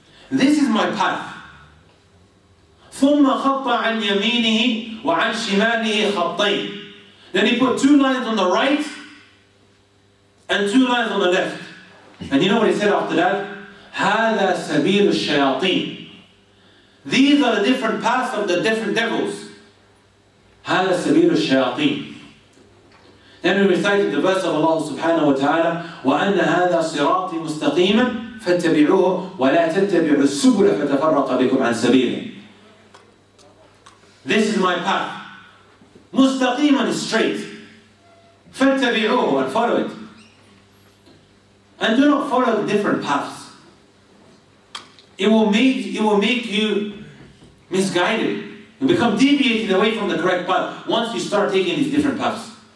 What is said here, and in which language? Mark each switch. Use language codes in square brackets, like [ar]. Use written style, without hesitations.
[en] This is my path. [ar] ثُمَّ خَطَّ عَنْ يَمِينِهِ وَعَنْ شِمَالِهِ خَطَّيْ. [en] Then he put two lines on the right and two lines on the left. And you know what he said after that? [ar] هَذَا سَبِيلُ الشَّيَاطِينَ. [en] These are the different paths of the different devils. [ar] هَذَا سَبِيلُ الشَّيَاطِينَ. [en] Then we recited the verse of Allah subhanahu wa ta'ala, [ar] وَأَنَّ هَذَا صِرَاطِي مُسْتَقِيمًا فَاتَّبِعُوهُ وَلَا تَتَّبِعُوا السُّبُلَ فَتَفَرَّقَ بِكُمْ عَنْ سَبِيلِهِ. [en] This is my path. [ar] مُسْتَقِيمًا [en] is straight. [ar] فَاتَّبِعُوهُ [en] and follow it. And do not follow the different paths. It will make you misguided. You become deviated away from the correct path once you start taking these different paths.